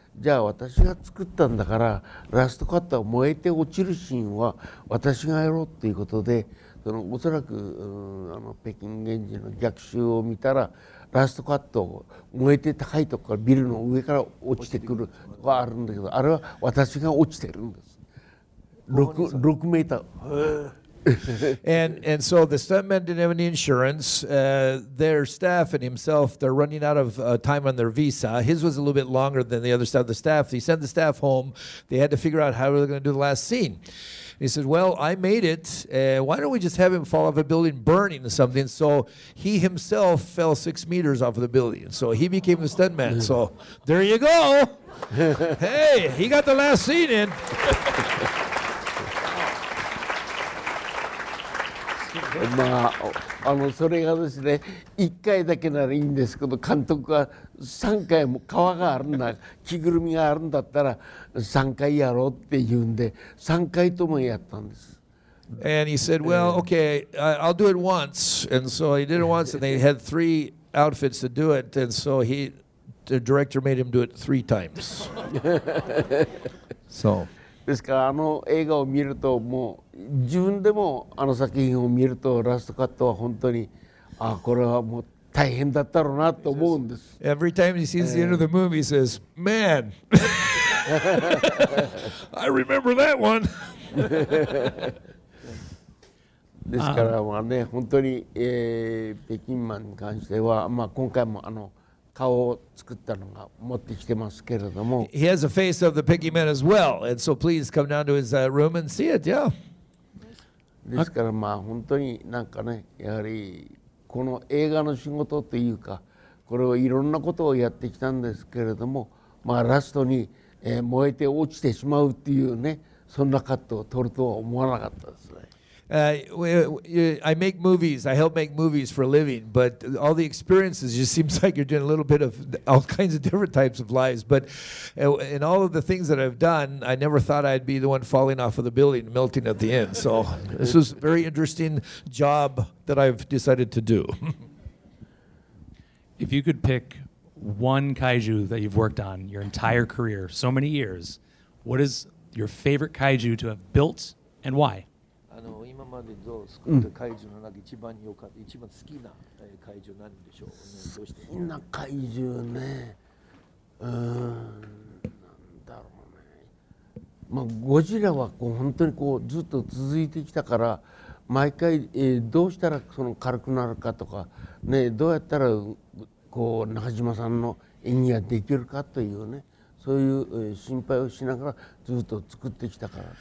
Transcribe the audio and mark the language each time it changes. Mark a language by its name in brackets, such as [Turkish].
[Japanese] じゃあ私が作ったんだからラストカットは燃えて落ちるシーンは私がやろうということでそのおそらくあの北京原人の逆襲を見たらラストカット燃えて高いところからビルの上から落ちてくるとかあるんだけどあれは私が落ちてるんです6メーター [English] And so the stuntmen didn't have any insurance. Their staff and himself, they're running out of time on their visa. His was a little bit longer than the other staff. The staff, he sent the staff home. They had to figure out how they were going to do the last scene. He said, well, I made it. Why don't we just have him fall off a building burning or something? So he himself fell 6 meters off of the building. So he became the stuntman. So there you go. Hey, he got the last scene in. [Japanese] まあ、あのそれがですね1回だけならいいんですけど監督は3回も川があるんだ着ぐるみがあるんだったら3回やろうって言うんで3回ともやったんです。 [English] And he said, well, okay, I'll do it once. And so he did it once and they had three outfits to do it. And so he, the director made him do it three times. So. [Japanese] ですからあの映画を見るともう自分でもあの作品を見るとラストカットは本当にあこれはもう大変だったろうなと思うんです。 [English] Every time he sees the end of the movie, he says, "Man, I remember that one." [Japanese] ですからまあね本当に、北京マンに関してはまあ今回もあの。顔を作ったのが持ってきてますけれども。 [English] He has a face of the Picky Man as well, and so please come down to his room and see it. Yeah. [Japanese] ですからまあ本当になんかね、やはりこの映画の仕事というか、これをいろんなことをやってきたんですけれども、まあラストに燃えて落ちてしまうっていうね、そんなカットを撮るとは思わなかったですね。 [English] I make movies. I help make movies for a living. But all the experiences, it just seems like you're doing a little bit of all kinds of different types of lives. But in all of the things that I've done, I never thought I'd be the one falling off of the building, melting at the end. So this was a very interesting job that I've decided to do. If you could pick one kaiju that you've worked on your entire career, so many years, what is your favorite kaiju to have built and why? [Japanese] あの今までの作った怪獣の中で一番良かった、うん、一番好きな怪獣なんでしょう、ね、どうして好きな怪獣ねうーんなんだろうねまあゴジラはこう本当にこうずっと続いてきたから毎回、どうしたらその軽くなるかとかねどうやったらこう中島さんの演技ができるかというねそういう心配をしながらずっと作ってきたから。